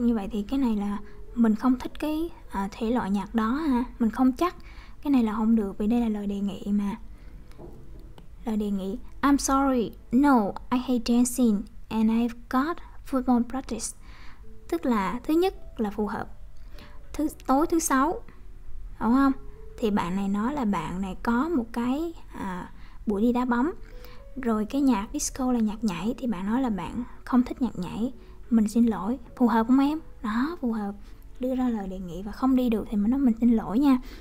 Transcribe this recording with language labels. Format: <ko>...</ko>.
<vi>Như vậy thì cái này là mình không thích cái thể loại nhạc đó ha, mình không chắc. Cái này là không được vì đây là lời đề nghị mà. Lời đề nghị:</vi> <en>I'm sorry, no, I hate dancing and I've got football practice.</en> <vi>Tức là thứ nhất là phù hợp. Thứ tối thứ sáu, đúng không? Thì bạn này nói là bạn này có một cái buổi đi đá bóng. Rồi cái nhạc disco là nhạc nhảy thì bạn nói là bạn không thích nhạc nhảy. Mình xin lỗi, phù hợp không em? Đó, phù hợp. Đưa ra lời đề nghị và không đi được thì mình nói mình xin lỗi nha.</vi>